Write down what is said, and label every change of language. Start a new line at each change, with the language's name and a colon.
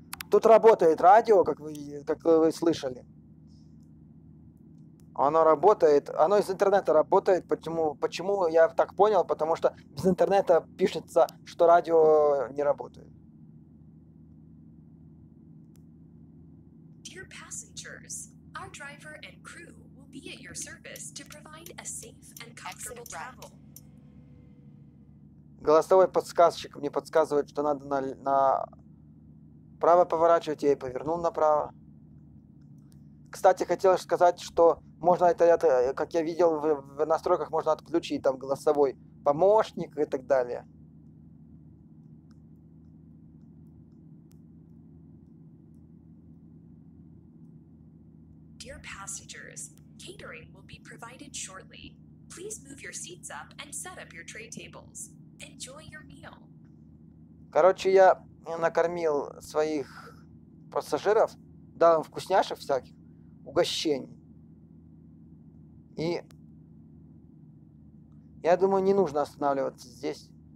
Russian: Тут работает радио, как вы слышали. Оно работает. Оно из интернета работает. Почему я так понял? Потому что без интернета пишется, что радио не работает.
English: Dear passengers, our driver and crew will be at your service to provide a safe and comfortable travel.
Russian: Голосовой подсказчик мне подсказывает, что надо на право поворачивать, я и повернул направо. Кстати, хотел сказать, что можно это, как я видел, в настройках можно отключить там голосовой помощник и так далее.
English: Dear passengers, catering will be provided shortly. Please move your seats up and set up your tray tables. Enjoy your meal.
Russian: Короче, я накормил своих пассажиров, дал им вкусняшек всяких, угощений. И я думаю, не нужно останавливаться здесь.